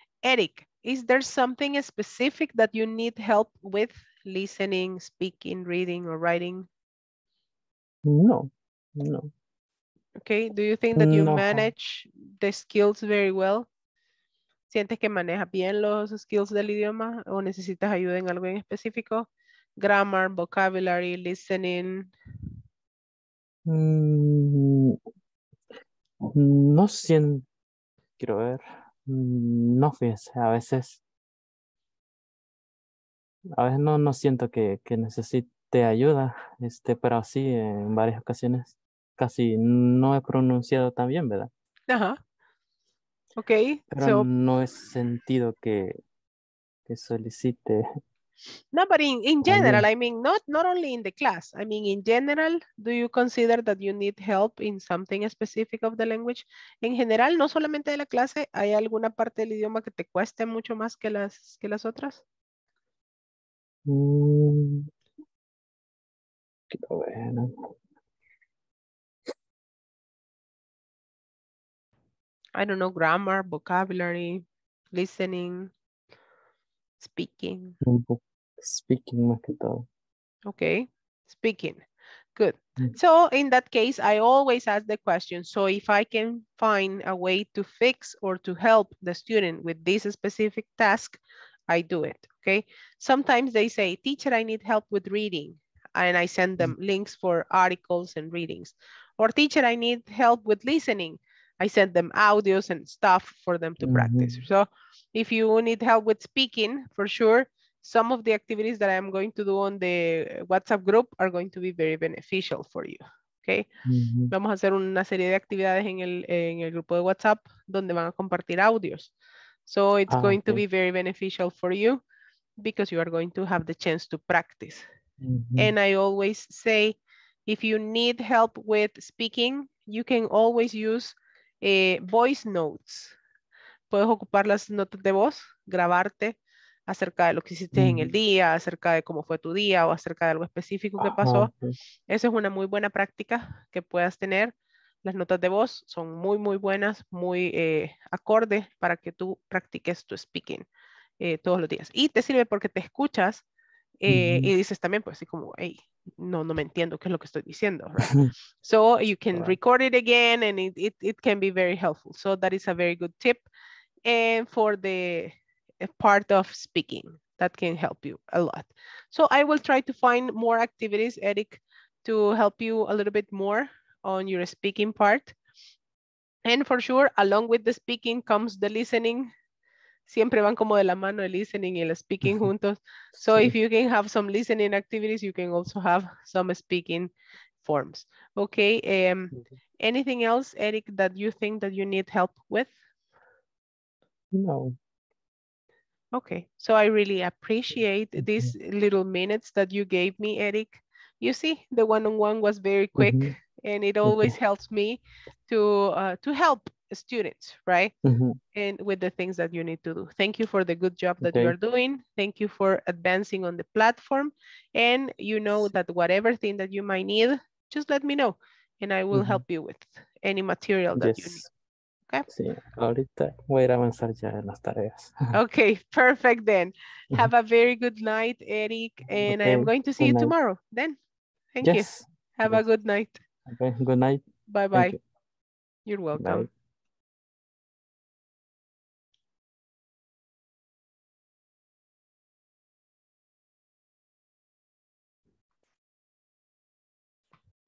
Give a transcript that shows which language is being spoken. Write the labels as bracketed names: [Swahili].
[English] Eric, is there something specific that you need help with? Listening, speaking, reading, or writing? No. Okay, do you think that you manage the skills very well? [Spanish] ¿Sientes que manejas bien los skills del idioma? ¿O necesitas ayuda en algo en específico? [English] Grammar, vocabulary, listening? [Spanish] No siento. Quiero ver, no fíjese, a veces no siento que necesite ayuda, este, pero sí, en varias ocasiones casi no he pronunciado tan bien, ¿verdad? Ajá, okay. Pero so, no he sentido que solicite. [English] No, but in general, I mean, not only in the class, I mean, in general, do you consider that you need help in something specific of the language? [Spanish] En general, no solamente de la clase, ¿hay alguna parte del idioma que te cueste mucho más que las otras? [English] I don't know, grammar, vocabulary, listening, speaking. [Spanish] Speaking más que todo. [English] Okay, speaking. Good. So in that case, I always ask the question. So if I can find a way to fix or to help the student with this specific task, I do it, okay? Sometimes they say, teacher, I need help with reading. And I send them links for articles and readings. Or teacher, I need help with listening. I send them audios and stuff for them to practice. So if you need help with speaking, for sure, some of the activities that I'm going to do on the WhatsApp group are going to be very beneficial for you, okay? [Spanish] Vamos a hacer una serie de actividades en el grupo de WhatsApp donde van a compartir audios. [English] So it's going to be very beneficial for you because you are going to have the chance to practice. And I always say, if you need help with speaking, you can always use voice notes. [Spanish] Puedes ocupar las notas de voz, grabarte, acerca de lo que hiciste en el día, acerca de cómo fue tu día o acerca de algo específico que pasó. Esa es una muy buena práctica que puedas tener. Las notas de voz son muy, muy buenas, muy acorde para que tú practiques tu speaking todos los días. Y te sirve porque te escuchas y dices también, pues así como, hey, no me entiendo qué es lo que estoy diciendo. [English] Right? So you can record it again and it can be very helpful. So that is a very good tip. And for the a part of speaking that can help you a lot. So I will try to find more activities, Eric, to help you a little bit more on your speaking part. And for sure, along with the speaking comes the listening. [Spanish] Siempre van como de la mano el listening y el speaking juntos. [English] So sí. If you can have some listening activities, you can also have some speaking forms. Okay. Anything else, Eric, that you think that you need help with? No. Okay, so I really appreciate these little minutes that you gave me, Eric. You see, the one-on-one was very quick, mm-hmm. and it always helps me to help students, right? Mm-hmm. And with the things that you need to do. Thank you for the good job that you are doing. Thank you for advancing on the platform. And you know that whatever thing that you might need, just let me know, and I will mm-hmm. help you with any material that you need. [Spanish] Sí, ahorita voy a avanzar ya en las tareas. [English] Okay, perfect then. Have a very good night, Eric, and okay, I am going to see you tomorrow then. Thank you. Have a good night. Okay, good night. Bye-bye. You. You're welcome. Bye.